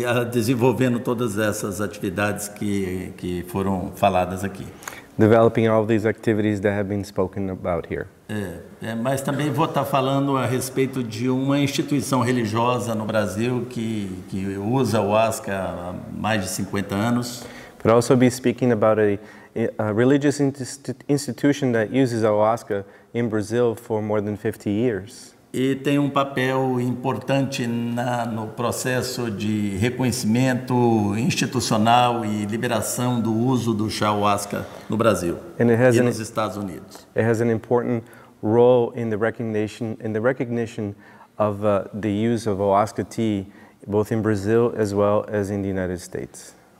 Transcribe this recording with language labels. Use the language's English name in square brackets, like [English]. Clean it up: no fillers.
[Portuguese] desenvolvendo todas essas atividades que foram faladas aqui, [English] developing all these activities that have been spoken about here. [Portuguese] Mas também vou estar falando a respeito de uma instituição religiosa no Brasil que usa o ayahuasca há mais de 50 anos. [English] But also be speaking about a religious institution that uses ayahuasca in Brazil for more than 50 years. [Portuguese] E tem papel importante no processo de reconhecimento institucional e liberação do uso do chá ayahuasca no Brasil e nos Estados Unidos. [English] It has an important role in the recognition of the use of ayahuasca tea both in Brazil as well as in the United States.